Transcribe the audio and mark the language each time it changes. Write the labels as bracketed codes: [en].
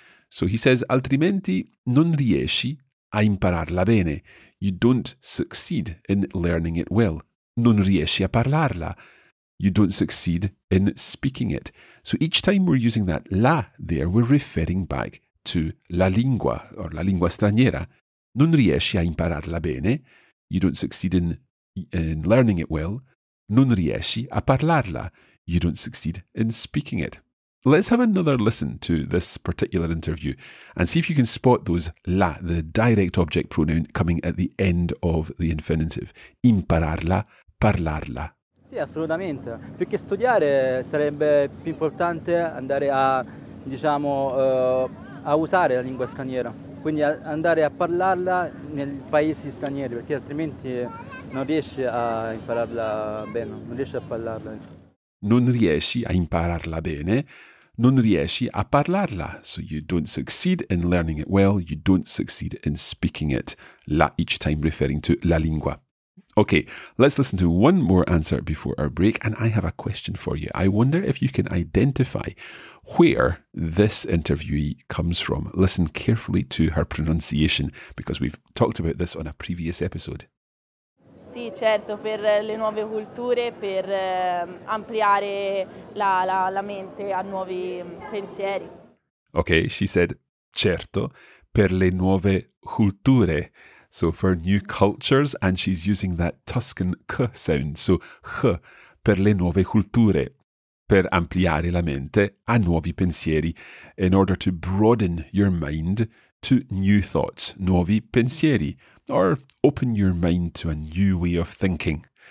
[en] So he says, [it] altrimenti non riesci a impararla bene. [en] You don't succeed in learning it well. [it] Non riesci a parlarla. [en] You don't succeed in speaking it. So each time we're using that la there, we're referring back to la lingua or [it] la lingua straniera. Non riesci a impararla bene. [en] You don't succeed in learning it well. [it] Non riesci a parlarla. [en] You don't succeed in speaking it. Let's have another listen to this particular interview and see if you can spot those la, the direct object pronoun coming at the end of the infinitive. [it] Impararla, parlarla. Sì, assolutamente. Più che studiare sarebbe più importante andare a, diciamo, a usare la lingua straniera. Quindi andare a parlarla nei paesi stranieri, perché altrimenti non riesci a impararla bene, non riesci a parlarla. Non riesci a impararla bene, non riesci a parlarla. [en] So you don't succeed in learning it well, you don't succeed in speaking it. La each time referring to [it] la lingua. [en] Okay, let's listen to one more answer before our break, and I have a question for you. I wonder if you can identify where this interviewee comes from. Listen carefully to her pronunciation, because we've talked about this on a previous episode. [it] Sì, certo, per le nuove culture, per ampliare la mente a nuovi pensieri. [en] Okay, she said, [it] certo, per le nuove culture. [en] So for new cultures, and she's using that Tuscan k sound. So k [it] per le nuove culture, per ampliare la mente a nuovi pensieri, [en] in order to broaden your mind to new thoughts, [it] nuovi pensieri, [en] or open your mind to a new way of thinking.